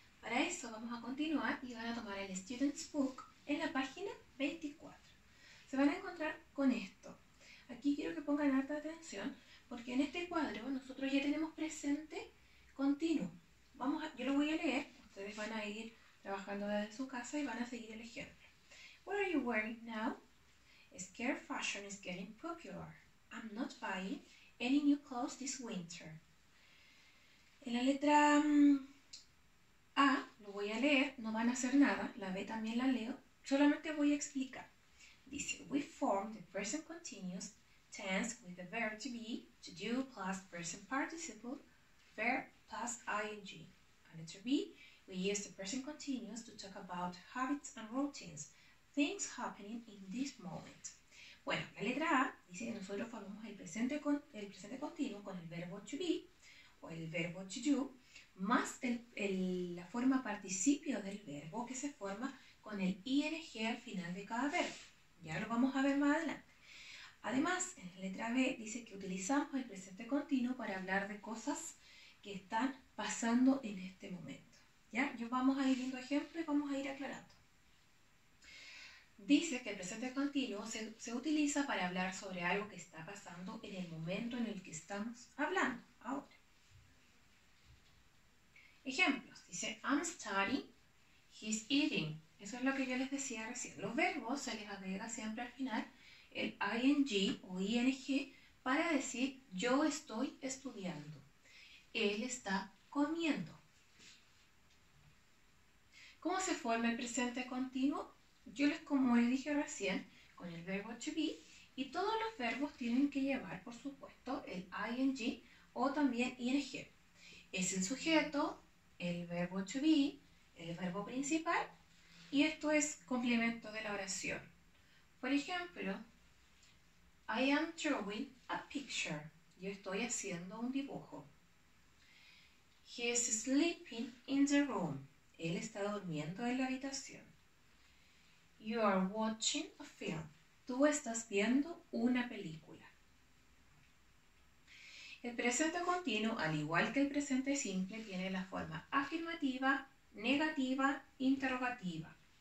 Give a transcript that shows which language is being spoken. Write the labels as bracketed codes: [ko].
[es] Para eso vamos a continuar y van a tomar el Student's Book en la página 24. Se van a encontrar con esto. Aquí quiero que pongan alta atención porque en este cuadro nosotros ya tenemos presente continuo. Yo lo voy a leer. Ustedes van a ir trabajando desde su casa y van a seguir el ejemplo. [en] What are you wearing now? Skirt fashion is getting popular. I'm not buying any new clothes this winter. [es] En la letra A, lo voy a leer, no van a hacer nada. La B también la leo. Solamente voy a explicar. Dice, [en] we form the present continuous tense with the verb to be, to do, plus present participle, verb plus ing. And letter B, we use the present continuous to talk about habits and routines, things happening in this moment. [es] Bueno, la letra A dice que nosotros formamos el presente continuo con el verbo to be o el verbo to do más la forma participio del verbo que se forma con el ing al final de cada verbo. Ya lo vamos a ver más adelante. Además, en la letra B dice que utilizamos el presente continuo para hablar de cosas que están pasando en este momento. Ya, yo vamos a ir viendo ejemplos y vamos a ir aclarando. Dice que el presente continuo se utiliza para hablar sobre algo que está pasando en el momento en el que estamos hablando, ahora. Ejemplos. Dice, [en] I'm studying, he's eating. [es] Eso es lo que yo les decía recién. Los verbos se les agrega siempre al final el ing o ing para decir yo estoy estudiando. Él está comiendo. ¿Cómo se forma el presente continuo? Como les dije recién, con el verbo to be, y todos los verbos tienen que llevar, por supuesto, el ing o también ing. Es el sujeto, el verbo to be, el verbo principal, y esto es complemento de la oración. Por ejemplo, [en] I am drawing a picture. [es] Yo estoy haciendo un dibujo. [en] He is sleeping in the room. [es] Él está durmiendo en la habitación. [en] You are watching a film. [es] Tú estás viendo una película. El presente continuo, al igual que el presente simple, tiene la forma afirmativa, negativa, interrogativa.